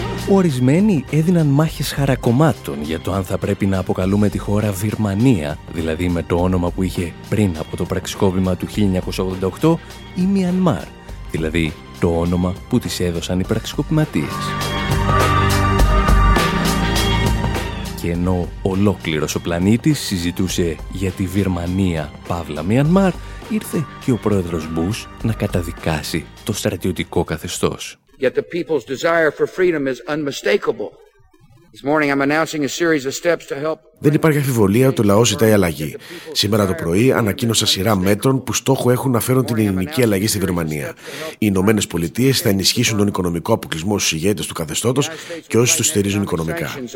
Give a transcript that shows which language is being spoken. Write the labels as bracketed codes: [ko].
[el] Ορισμένοι έδιναν μάχες χαρακομμάτων για το αν θα πρέπει να αποκαλούμε τη χώρα Βιρμανία, δηλαδή με το όνομα που είχε πριν από το πραξικόπημα του 1988, ή Μιανμάρ, δηλαδή το όνομα που της έδωσαν οι πραξικοπηματίες. Και ενώ ολόκληρος ο πλανήτης συζητούσε για τη Βιρμανία παύλα Μιανμάρ, ήρθε και ο πρόεδρος Μπους να καταδικάσει το στρατιωτικό καθεστώς. [en] Yet the people's desire for freedom is unmistakable. This morning I'm announcing a series of steps to help. [el] Δεν υπάρχει αμφιβολία ότι ο λαός ζητάει αλλαγή. Σήμερα το πρωί ανακοίνωσα σειρά μέτρων που στόχο έχουν να φέρουν την ειρηνική αλλαγή στη Βιρμανία. Οι Ηνωμένες Πολιτείες θα ενισχύσουν τον οικονομικό αποκλεισμό στους ηγέτες του καθεστώτος και όσους τους στηρίζουν οικονομικά.